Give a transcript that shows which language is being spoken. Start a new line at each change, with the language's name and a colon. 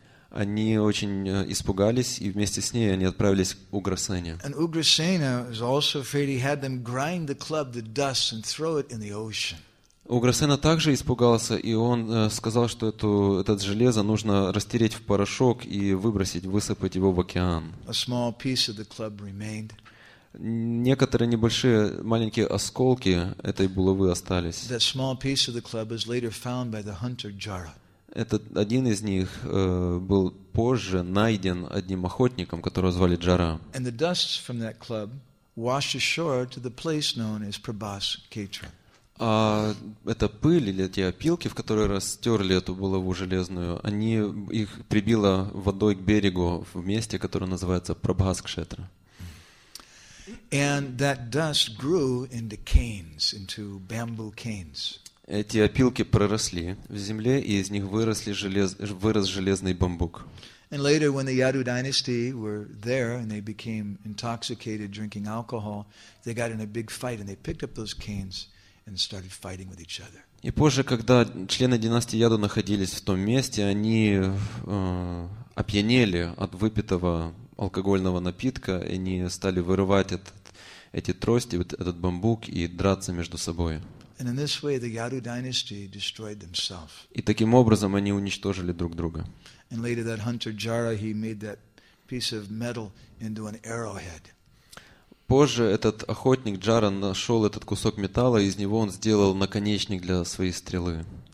Russian: Они очень испугались, и вместе с ней они отправились к Уграсене.
English: And Ugrasena was also afraid. He had them grind the club, the dust, and throw it in the ocean.
Russian: Уграсена также испугался, и он сказал, что этот железо нужно растереть в порошок и выбросить, высыпать его в океан.
English: A small piece of the club remained.
Russian: Некоторые небольшие, маленькие осколки этой булавы остались.
English: That small piece of the club was later found by the hunter Jara.
Russian: Этот один из них был позже найден одним охотником, которого звали Джара.
English: And the dust from that club washed ashore to the place known as Prabhas Ketra.
Russian: А эта пыль или те опилки, в которые растерли эту булаву железную, они их прибило водой к берегу в месте, которое называется Прабхас-кшетра.
English: And that dust grew into canes, into bamboo canes.
Russian: Эти опилки проросли в земле, и из них вырос железный бамбук.
English: And later, when the Yadu dynasty were there and they became intoxicated drinking alcohol, they got in a big fight and they picked up those canes. And started fighting with each other.
Russian: И позже, когда члены династии Яду находились в том месте, они опьянели от выпитого алкогольного напитка, и они стали вырывать эти трости, этот бамбук, и драться между собой.
English: And in this way, the Yadu dynasty destroyed themselves.
Russian: И таким образом они уничтожили друг друга.
English: And later, that hunter Jara, he made that piece of metal into an arrowhead.
Russian: Позже этот охотник Джара нашел этот кусок металла, и из него он сделал наконечник для своей стрелы.